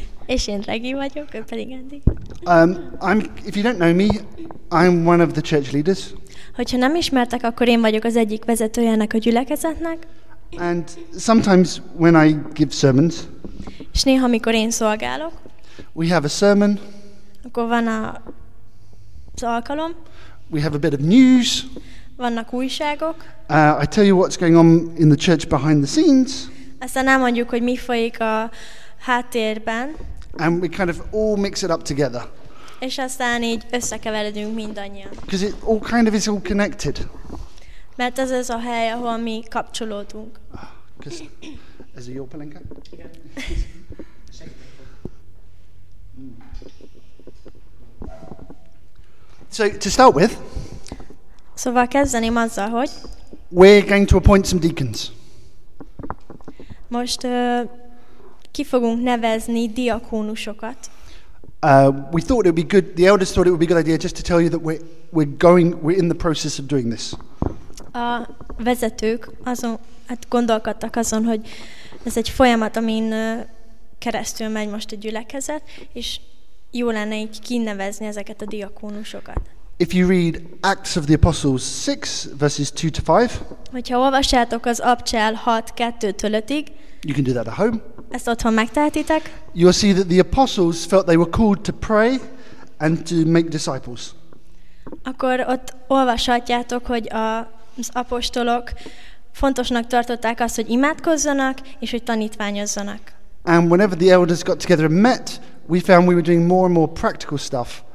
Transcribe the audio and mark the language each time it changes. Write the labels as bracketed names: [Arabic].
[Hungarian] És én Regi vagyok, ő pedig Andy. [English] If you don't know me, I'm one of the church leaders. [Hungarian] Hogyha nem ismertek, akkor én vagyok az egyik vezetőjének a gyülekezetnek. [English] And sometimes when I give sermons. [Hungarian] És néha, amikor én szolgálok. [English] We have a sermon. [Hungarian] Akkor van a alkalom. [English] We have a bit of news. [Hungarian] Vannak újságok. [English] I tell you what's going on in the church behind the scenes. [Hungarian] Aztán elmondjuk, hogy mi folyik a háttérben. [English] And we kind of all mix it up together. [Hungarian] És aztán így összekeveredünk mindannyian. [English] Because it all kind of is all connected. [Hungarian] Mert ez az a hely, ahol mi kapcsolódunk. [English] Is it your palinka? So to start with. [Hungarian] Szóval kezdeném azzal, hogy. [English] We're going to appoint some deacons. [Hungarian] Most ki fogunk nevezni diakónusokat. [English] We thought it would be good. The elders thought it would be a good idea just to tell you that we're in the process of doing this. [Hungarian] A vezetők azon, hát gondolkodtak azon, hogy ez egy folyamat, amin keresztül megy most a gyülekezet, és jó lenne így kinevezni ezeket a diakónusokat. [English] If you read Acts of the Apostles 6 verses 2 to 5. [Hungarian] Hogyha olvassátok az Apcsel 6:2-5-ig. [English] You can do that at home. [Hungarian] Ezt otthon megtehetitek. [English] You'll see that the apostles felt they were called to pray and to make disciples. [Hungarian] Akkor ott olvashatjátok, hogy az apostolok fontosnak tartották azt, hogy imádkozzanak és hogy tanítványozzanak. [English] And whenever the elders got together and met, we found we were doing more and more practical stuff.